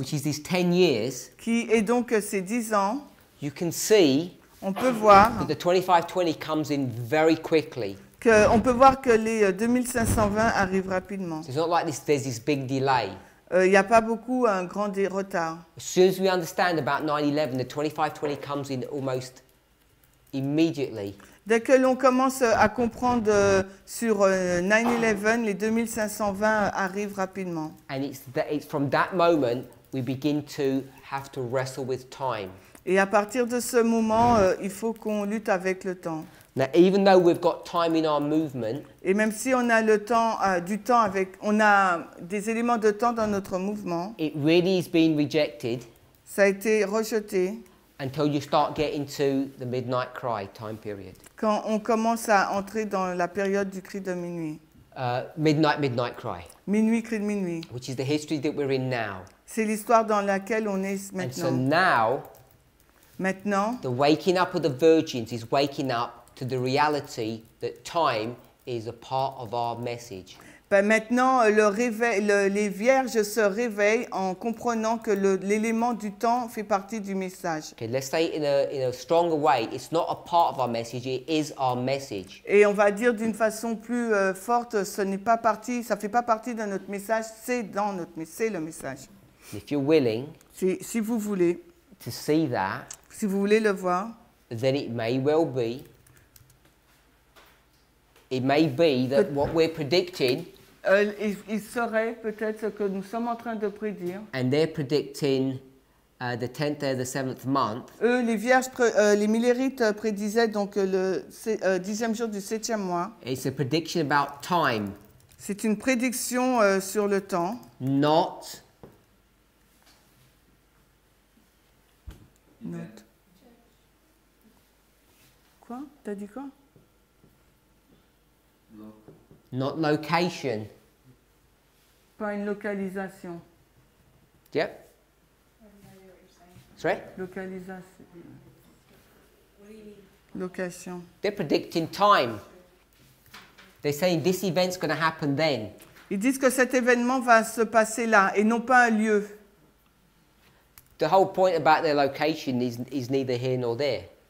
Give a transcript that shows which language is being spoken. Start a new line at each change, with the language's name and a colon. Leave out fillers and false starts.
English: Which is these 10 years.
French: Qui est donc ces 10 ans.
English: You can see
French: on peut voir
English: that the 2520 comes in very quickly.
French: On peut voir que les 2520 arrivent rapidement.
English: It's not like there's this big delay.
French: Il n'y a pas beaucoup un grand retard.
English: As soon as we understand about 9/11, the 2520 comes in almost immediately.
French: Dès que l'on commence à comprendre sur 9/11, les 2520 arrivent rapidement.
English: And it's from that moment we begin to have to wrestle with time.
French: Et à partir de ce moment, il faut qu'on lutte avec le temps.
English: Now, even though we've got time in our movement,
French: et même si on a le temps, du temps avec, on a des éléments de temps dans notre mouvement,
English: it really is being rejected.
French: Ça a été rejeté.
English: Until you start getting to the midnight cry time period.
French: Quand on commence à entrer dans la période du cri de minuit.
English: Midnight cry.
French: Minuit, cri de minuit.
English: Which is the history that we're in now.
French: C'est l'histoire dans laquelle on est maintenant.
English: And so now,
French: maintenant,
English: the waking up of the virgins is waking up to the reality that time is a part of our message.
French: Ben maintenant, les vierges se réveillent en comprenant que l'élément du temps fait partie du message.
English: Okay, let's say in a stronger way, it's not a part of our message, it is our message.
French: Et on va dire d'une façon plus forte, ce n'est pas partie, ça fait pas partie de notre message, c'est le message.
English: If you're willing,
French: si vous voulez,
English: to see that,
French: si vous voulez le voir,
English: then it may well be. It may be that what we're predicting,
French: il serait peut-être ce que nous sommes en train de prédire.
English: And they're predicting the 10th day of the 7th month.
French: Eux, les vierges, les millérites prédisaient donc le 10e jour du 7e mois.
English: It's a prediction about time.
French: C'est une prédiction sur le temps.
English: Not.
French: Quoi? T'as dit quoi?
English: Not location.
French: Pas une localisation.
English: Yep. Sorry?
French: Localisation.
English: Location. They're predicting time. They're saying this event's going to happen then.
French: Ils disent que cet événement va se passer là et non pas un lieu.
English: The whole point about their location is neither here nor there.